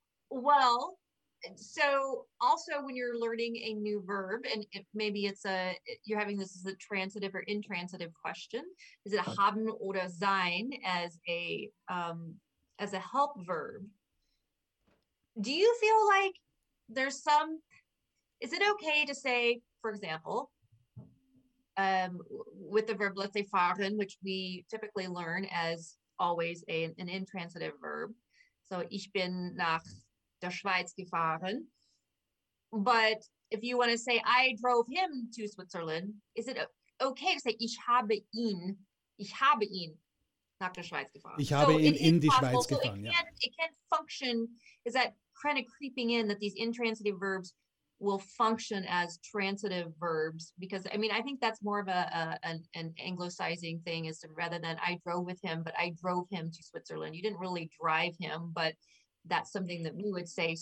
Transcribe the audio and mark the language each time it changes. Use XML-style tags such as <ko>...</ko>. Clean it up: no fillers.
<en>Well, so also when you're learning a new verb, and if maybe it's you're having this as a transitive or intransitive question, is it</en> <de>haben oder sein</de> <en>as a help verb? Do you feel like there's some, is it okay to say, for example, with the verb, let's say fahren, which we typically learn as always an intransitive verb.</en> <de>So ich bin nach der Schweiz gefahren.</de> <en>But if you want to say, I drove him to Switzerland, is it okay to say,</en> <de>ich habe ihn nach der Schweiz gefahren? Ich habe ihn in die Schweiz gefahren.</de> <en>It can't function. Is that kind of creeping in, that these intransitive verbs will function as transitive verbs? Because I mean, I think that's more of an anglicizing thing, is to, rather than I drove with him, but I drove him to Switzerland. You didn't really drive him, but that's something that we would say.</en>